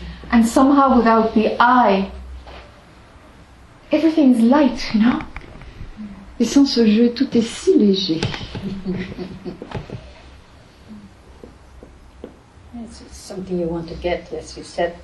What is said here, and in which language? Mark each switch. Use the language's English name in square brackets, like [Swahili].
[English] And somehow without the I, everything is light, you know? [French] Et sans ce jeu, tout est si léger. [English] It's something you want to get, as you said,